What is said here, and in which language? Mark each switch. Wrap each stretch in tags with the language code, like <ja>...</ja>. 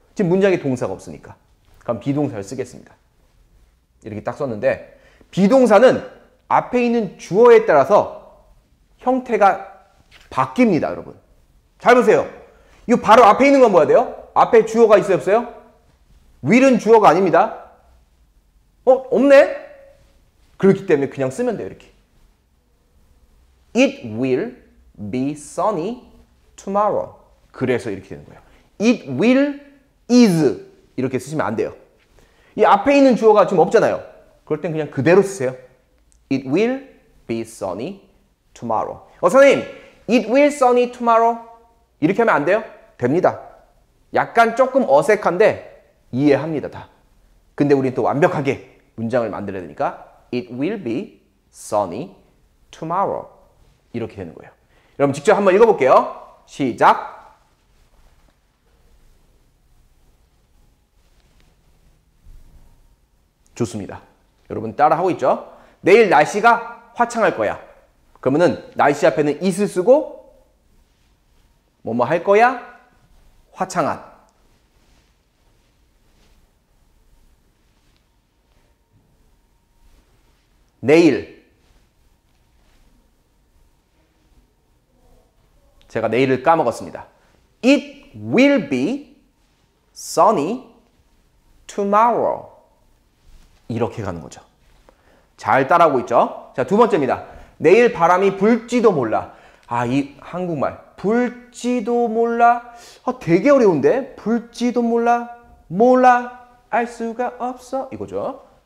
<ko>지금 문장에 동사가 없으니까. 그럼 비동사를 쓰겠습니다. 이렇게 딱 썼는데 비동사는 앞에 있는 주어에 따라서 형태가 바뀝니다, 여러분. 잘 보세요. 이 바로 앞에 있는 건 뭐야 돼요? 앞에 주어가 있어요, 없어요? will은 주어가 아닙니다. 어? 없네? 그렇기 때문에 그냥 쓰면 돼요, 이렇게.</ko> <en>It will be sunny tomorrow.</en> <ko>그래서 이렇게 되는 거예요.</ko> <en>It will is</en> <ko>이렇게 쓰시면 안 돼요. 이 앞에 있는 주어가 지금 없잖아요. 그럴 땐 그냥 그대로 쓰세요.</ko> <en>It will be sunny tomorrow.</en> <ko>선생님,</ko> <en>it will sunny tomorrow.</en> <ko>이렇게 하면 안 돼요? 됩니다. 약간 조금 어색한데 이해합니다, 다. 근데 우린 또 완벽하게 문장을 만들어야 되니까</ko> <en>It will be sunny tomorrow.</en> <ko>이렇게 되는 거예요. 여러분 직접 한번 읽어볼게요. 시작! (좋습니다.) 여러분 따라하고 있죠? 내일 날씨가 화창할 거야. 그러면은 날씨 앞에는 it을 쓰고 뭐뭐 할 거야? 화창한. 내일. 제가 내일을 까먹었습니다.</ko> <en>It will be sunny tomorrow.</en> <ko>이렇게 가는 거죠. 잘 따라하고 있죠? 자, 두 번째입니다. 내일 바람이 불지도 몰라. 아, 이 한국말. 불지도 몰라. 아, 되게 어려운데? 불지도 몰라. 몰라. 알 수가 없어. 이거죠.</ko>